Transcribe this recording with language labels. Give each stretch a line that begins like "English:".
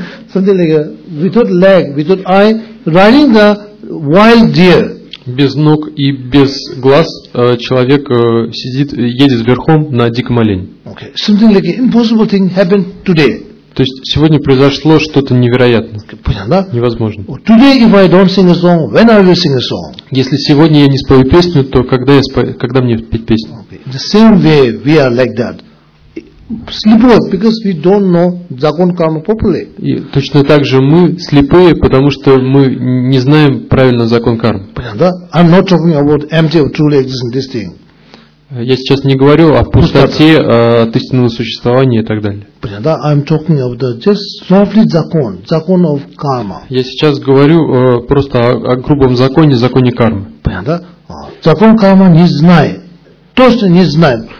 English: Смотрите, without leg, without eye, riding the wild deer.
Russian: Без ног и без глаз человек сидит, едет верхом на диком олене.
English: Okay. Something like impossible thing happened today.
Russian: То есть сегодня произошло что-то невероятное. Понятно, да? Невозможно.
English: Today if I don't sing a song, when I will sing a song?
Russian: Если сегодня я не спою песню, то когда мне петь песню?
English: Okay. The same way we are like that. Слепые, because we don't know закон кармы properly.
Russian: И точно так же мы слепые, потому что мы не знаем правильно закон кармы. Понятно, да?
English: I'm not talking about empty or truly existing this thing.
Russian: Я сейчас не говорю о пустоте, от истинного существования и так далее. Понятно, да?
English: I'm talking about just roughly закон, закон of karma.
Russian: Я сейчас говорю просто о грубом законе, законе кармы. Понятно, да? Закон кармы не знает. то, что не знаем.